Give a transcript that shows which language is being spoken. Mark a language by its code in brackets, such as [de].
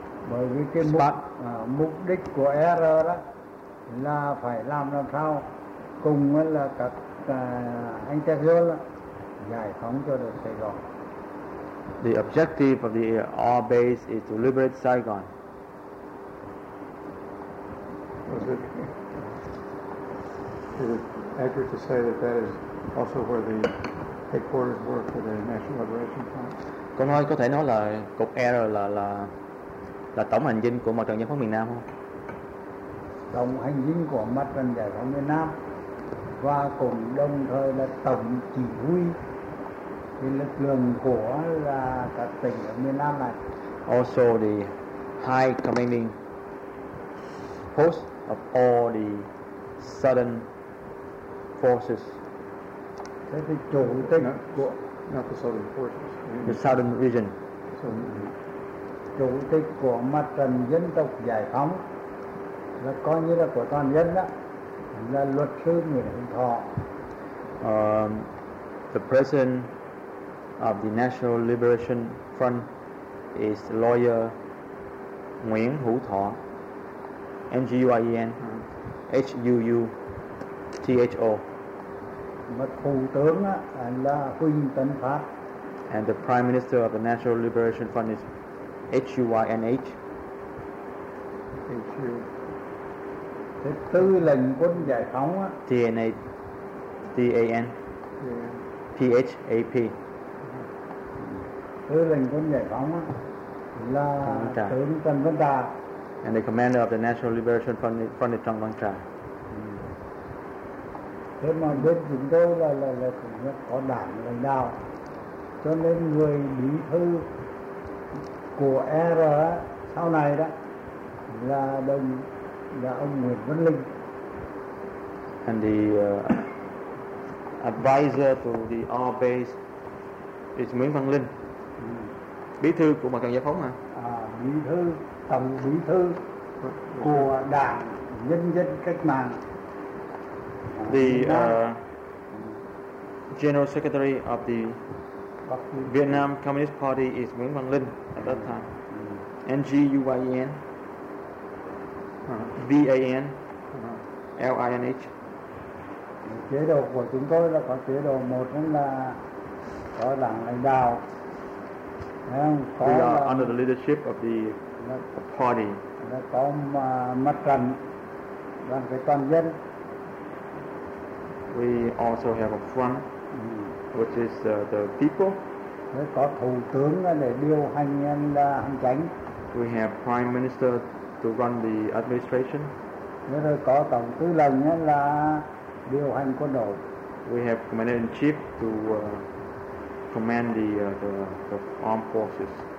[vi] bởi vì cái mục đích của R đó là phải làm sao cùng với là các anh ta hứa là giải phóng cho được Sài Gòn. [en] The objective of the R base is to liberate Saigon. Is it accurate to say that is also where the headquarters were for the National Liberation Front? [vi] Có thể nói là cục R là tổng hành dinh của mặt trận giải phóng miền Nam không? Tổng hành dinh của mặt trận giải phóng miền Nam và cùng đồng thời là tổng chỉ huy cái lực lượng của là các tỉnh ở miền Nam này. [en] Also the high commanding post of all the southern forces. [vi] Thế thì chủ tịch của [en] not the southern forces. The southern region. [vi] Chủ tịch của mặt trận dân tộc giải phóng là coi như là của toàn dân đó, là luật sư Nguyễn Hồng Thọ. [en] The president of the National Liberation Front is lawyer Nguyễn Hữu Thọ, N-G-U-I-E-N, H-U-U-T-H-O. [vi] Mà thủ tướng á, là Huỳnh Tấn Phát. [en] And the prime minister of the National Liberation Front is H-U-Y-N-H. [vi] Thế tư lệnh quân giải phóng á. T-N-A-D-A-N. P-H-A-P. Tư lệnh quân giải phóng á. Là tướng Trần Văn Trà. [en] And the commander of the National Liberation Front is Trần Văn Trà. [vi] Thế mà bên chúng tôi là cũng có đảng lãnh đạo. Cho nên người bí thư của R sau này đó là đồng là ông Nguyễn Văn Linh. [en] And the advisor to the R base is Nguyễn Văn Linh. [vi] Bí thư của Mặt trận Giải phóng mà. Bí thư, tổng bí thư của Đảng Nhân dân Cách mạng. [en] The general secretary of the Vietnam Communist Party is Nguyễn Văn Linh at that time. N-G-U-Y-E-N, V-A-N, L-I-N-H. [vi] Chế độ của chúng tôi là có chế độ một là có đảng lãnh đạo. [en] We are under the leadership of the party. [vi] Có mặt trận, đoàn kết toàn dân. [en] We also have a front, which is the people. [vi] Có thủ tướng để điều hành hành chính. [en] We have prime minister to run the administration. [vi] Có tổng tư lệnh là điều hành quân đội. [en] We have commander in chief to command the armed forces.